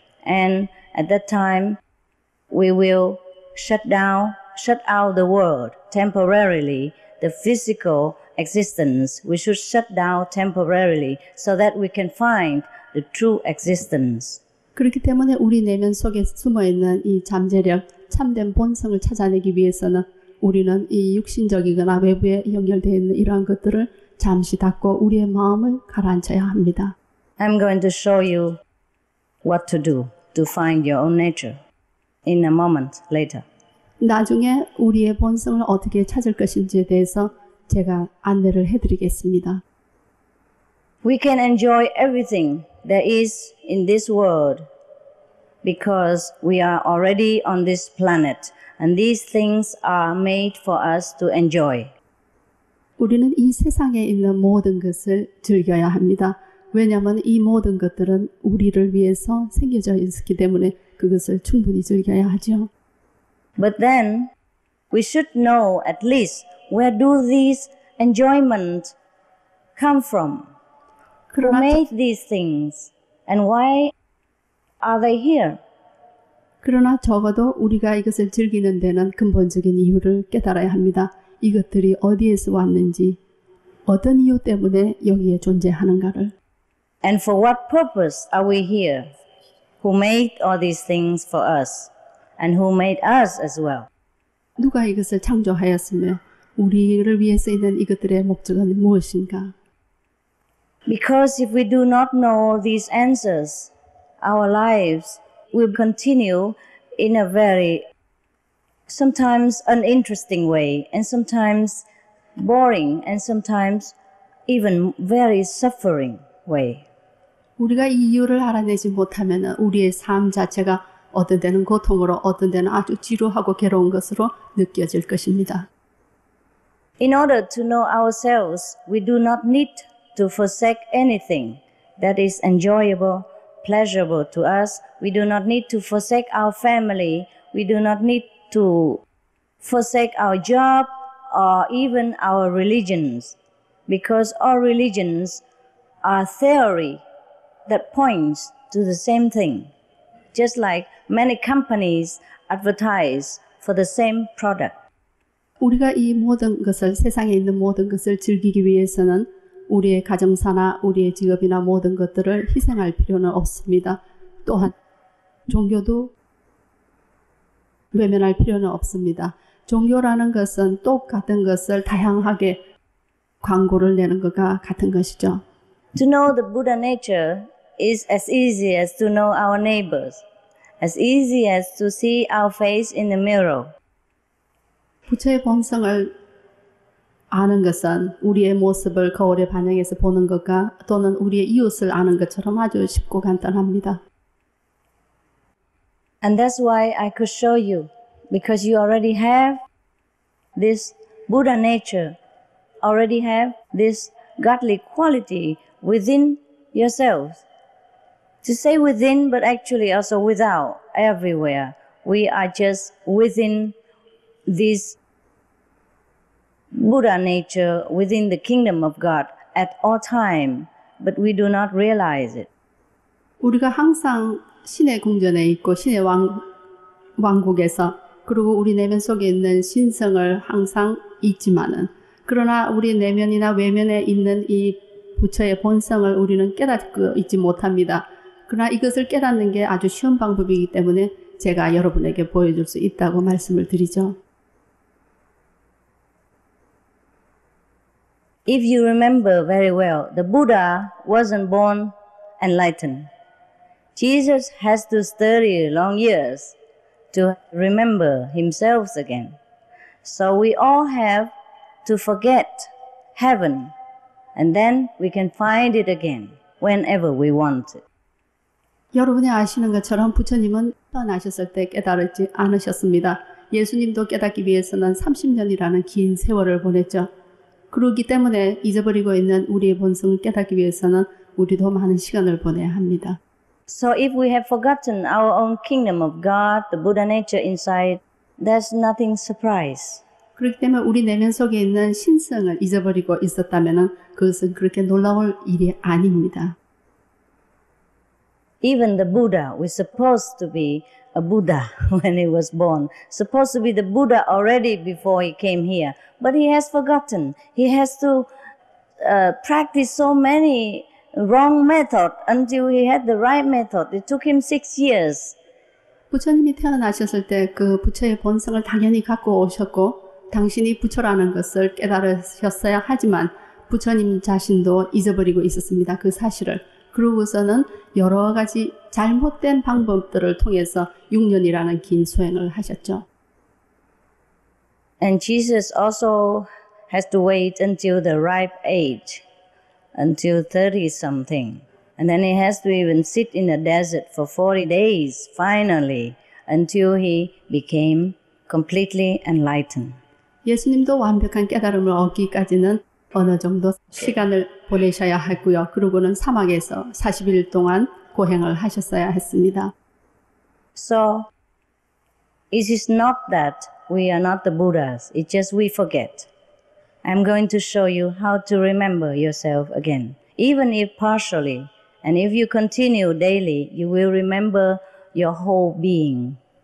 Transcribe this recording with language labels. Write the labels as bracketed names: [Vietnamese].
[English] And at that time, we will shut out the world temporarily, the physical existence. We should shut down temporarily so that we can find the true existence. [Korean] 그렇기 때문에 우리 내면 속에 숨어 있는 이 잠재력, 참된 본성을 찾아내기 위해서는 우리는 이 육신적이거나 외부에 연결되어 있는 이러한 것들을 잠시 닫고 우리의 마음을 가라앉혀야 합니다. [English] I'm going to show you what to do. To find your own nature in a moment later. [Korean] 나중에 우리의 본성을 어떻게 찾을 것인지에 대해서 제가 안내를 해드리겠습니다. [English] We can enjoy everything there is in this world because we are already on this planet and these things are made for us to enjoy. [Korean] 우리는 이 세상에 있는 모든 것을 즐겨야 합니다. 왜냐하면 이 모든 것들은 우리를 위해서 생겨져 있기 때문에 그것을 충분히 즐겨야 하죠. [English] But then we should know at least where do these enjoyments come from? Who made these things and why are they here? [Korean] 그러나 적어도 우리가 이것을 즐기는 데는 근본적인 이유를 깨달아야 합니다. 이것들이 어디에서 왔는지 어떤 이유 때문에 여기에 존재하는가를. [English] And for what purpose are we here? Who made all these things for us? And who made us as well? [Korean] 누가 이것을 창조하였으며 우리를 위해서 있는 이것들의 목적은 무엇인가? [English] Because if we do not know these answers, our lives will continue in a very, sometimes uninteresting way, and sometimes boring, and sometimes even very suffering way. [Korean] 우리가 이 이유를 알아내지 못하면 우리의 삶 자체가 어떤 때는 고통으로 어떤 때는 아주 지루하고 괴로운 것으로 느껴질 것입니다. [English] In order to know ourselves, we do not need to forsake anything that is enjoyable, pleasurable to us. We do not need to forsake our family. We do not need to forsake our job or even our religions. Because all religions are theory. That points to the same thing, just like many companies advertise for the same product. [Korean] 우리가 이 모든 것을 세상에 있는 모든 것을 즐기기 위해서는 우리의 가정사나 우리의 직업이나 모든 것들을 희생할 필요는 없습니다. 또한 종교도 외면할 필요는 없습니다. 종교라는 것은 똑같은 것을 다양하게 광고를 내는 것과 같은 것이죠. [English] To know the Buddha nature. Is as easy as to know our neighbors, as easy as to see our face in the mirror. [Korean] 부처의 본성을 아는 것은 우리의 모습을 거울에 반영해서 보는 것과 또는 우리의 이웃을 아는 것처럼 아주 쉽고 간단합니다. [English] And that's why I could show you, because you already have this Buddha nature, already have this godly quality within yourselves. To say within, but actually also without, everywhere. We are just within this Buddha nature, within the kingdom of God at all time, but we do not realize it. [Korean] 우리가 항상 신의 궁전에 있고 신의 왕국에서 그리고 우리 내면 속에 있는 신성을 항상 있지만은 그러나 우리 내면이나 외면에 있는 이 부처의 본성을 우리는 깨닫고 있지 못합니다. 그러나 이것을 깨닫는 게 아주 쉬운 방법이기 때문에 제가 여러분에게 보여줄 수 있다고 말씀을 드리죠. [English] If you remember very well, the Buddha wasn't born enlightened. Jesus has to study long years to remember himself again. So we all have to forget heaven, and then we can find it again whenever we want it. [Korean] 여러분이 아시는 것처럼 부처님은 떠나셨을 때 깨달았지 않으셨습니다. 예수님도 깨닫기 위해서는 30년이라는 긴 세월을 보냈죠. 그러기 때문에 잊어버리고 있는 우리의 본성을 깨닫기 위해서는 우리도 많은 시간을 보내야 합니다. [English] So if we have forgotten our own kingdom of God, the Buddha nature inside, there's nothing surprise. [Korean] 그렇기 때문에 우리 내면 속에 있는 신성을 잊어버리고 있었다면은 그것은 그렇게 놀라울 일이 아닙니다. [English] Even the Buddha was supposed to be a Buddha when he was born. Supposed to be the Buddha already before he came here. But he has forgotten. He has to practice so many wrong methods until he had the right method. It took him 6 years. [Korean] 부처님이 태어나셨을 때 그 부처의 본성을 당연히 갖고 오셨고 당신이 부처라는 것을 깨달으셨어야 하지만 부처님 자신도 잊어버리고 있었습니다. 그 사실을. 그러고서는 여러 가지 잘못된 방법들을 통해서 6년이라는 긴 수행을 하셨죠. [English] And Jesus also has to wait until the ripe age, until 30-something. And then he has to even sit in the desert for 40 days, finally, until he became completely enlightened. [Korean] 예수님도 완벽한 깨달음을 얻기까지는 어느 정도 시간을 보내셔야 했고요. 그러고는 사막에서 40일 동안 고행을 하셨어야 했습니다. [English] So, it is not that we are not the Buddhas. It's just we forget. I'm going to show you how to remember yourself again. Even if partially, and if you continue daily, you will remember your whole being.